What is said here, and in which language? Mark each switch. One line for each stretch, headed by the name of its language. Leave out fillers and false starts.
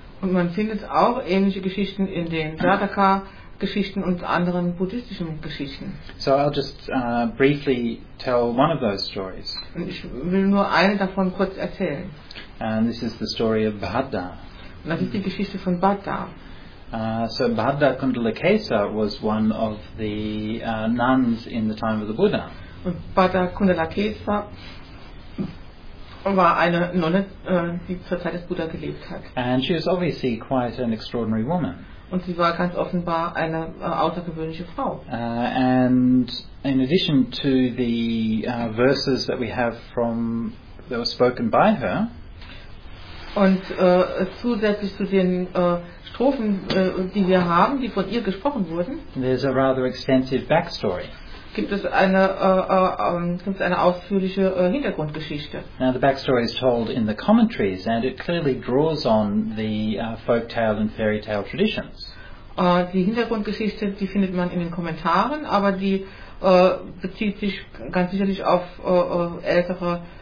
German: Und man findet auch ähnliche Geschichten in den Jataka-Geschichten und anderen buddhistischen Geschichten.
English: So I'll just briefly tell one of those stories.
German: Und ich will nur eine davon kurz erzählen.
English: And this is the story of Bhadda.
German: Und das ist die Geschichte von Bhadda.
English: So Bhadda Kundalakesa was one of the nuns in the time of the Buddha.
German: Bhadda Kundalakesa war eine Nonne, die zur Zeit des Buddha gelebt hat.
English: And she was obviously quite an extraordinary woman.
German: Und sie war ganz offenbar eine außergewöhnliche Frau.
English: And in addition to the verses that we have from that were spoken by her.
German: Und zusätzlich zu den Strophen, die wir haben, die von ihr gesprochen wurden.
English: There's a rather extensive backstory.
German: Gibt es eine ausführliche Hintergrundgeschichte?
English: Now the backstory is told in the commentaries, and it clearly draws on the folk tale and fairy tale traditions.
German: Die Hintergrundgeschichte, die findet man in den Kommentaren, aber die bezieht sich ganz sicherlich auf ältere